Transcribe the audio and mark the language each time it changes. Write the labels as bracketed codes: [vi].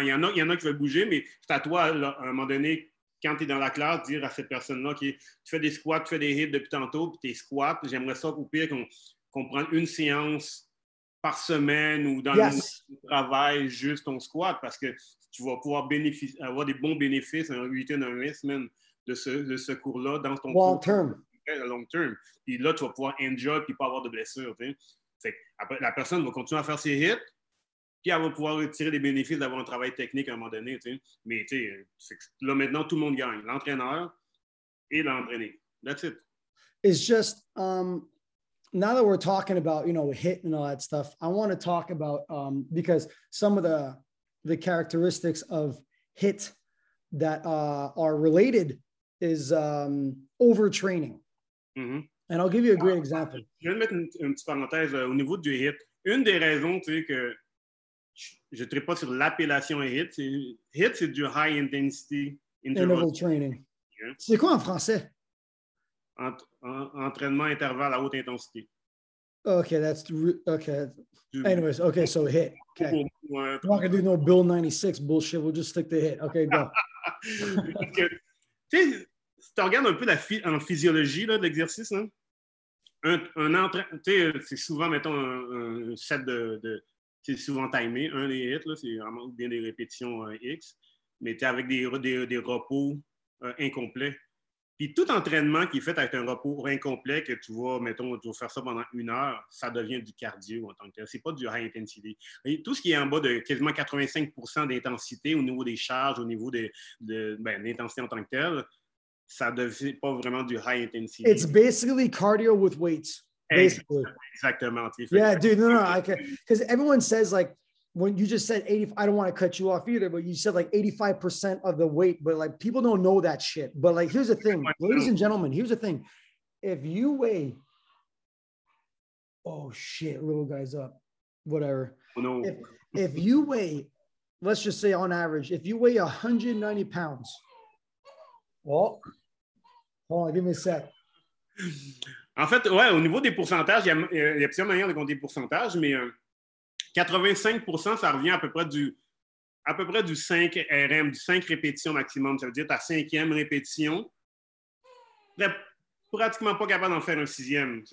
[fr] Il y en a qui veulent bouger, mais c'est à toi, là, à un moment donné, quand tu es dans la classe, dire à cette personne-là que tu fais des squats, tu fais des hits depuis tantôt, puis tes squats, j'aimerais ça au pire qu'on prenne une séance par semaine ou dans le travail, juste ton squat, parce que tu vas pouvoir avoir des bons bénéfices en 8 et 9 semaines de ce cours-là dans ton long terme. Long terme. Puis là, tu vas pouvoir enjoy puis pas avoir de blessures. T'sais. Fait que après, la personne va continuer à faire ses hits. Puis elle va pouvoir tirer des bénéfices d'avoir un travail technique à un moment donné. T'sais. Mais t'sais, là, maintenant, tout le monde gagne. L'entraîneur et l'entraîné. [en] That's it. It's just, now that we're talking about, you know, HIIT and all that stuff, I want to talk about, because some of the characteristics of HIIT that are related is overtraining. Mm-hmm. And I'll give you a great example. [fr] Je vais mettre une petite parenthèse au niveau du HIIT. Une des raisons, tu sais, que je ne traite pas sur l'appellation HIIT. HIIT, c'est du High Intensity [en] Interval Training. Yeah. [fr] C'est quoi en français? Entraînement intervalle à haute intensité. [en] OK, that's... okay. Anyways, OK, so HIIT. Okay. I'm not going to do no Bill 96 bullshit. We'll just stick to HIIT. OK, go. [fr] Tu sais, si tu regardes un peu en physiologie là, de l'exercice, hein? un entraînement... Tu sais, c'est souvent, mettons, un set de c'est souvent timé, un des hits, là, c'est vraiment bien des répétitions X, mais tu es avec des repos incomplets. Puis tout entraînement qui est fait avec un repos incomplet, que tu vas, mettons, tu vas faire ça pendant une heure, ça devient du cardio en tant que tel. C'est pas du high intensity. Et tout ce qui est en bas de quasiment 85 % d'intensité au niveau des charges, au niveau de l'intensité en tant que tel, ça devient pas vraiment du high intensity. [en] It's basically cardio with weights. Basically. [fr] Exactement. [en] Yeah, dude, no, okay. Because everyone says, like, when you just said 80, I don't want to cut you off either, but you said like 85% of the weight, but like people don't know that shit. But like, here's the thing, ladies and gentlemen, here's the thing. If you weigh, oh shit, little guy's up, whatever. No. If you weigh, let's just say on average, if you weigh 190 pounds, well, hold on, give me a sec. [fr] En fait, ouais, au niveau des pourcentages, il y a plusieurs manières de compter les pourcentages, mais 85 %, ça revient à peu près du 5 RM, du 5 répétitions maximum. Ça veut dire ta cinquième répétition, tu n'es pratiquement pas capable d'en faire un sixième.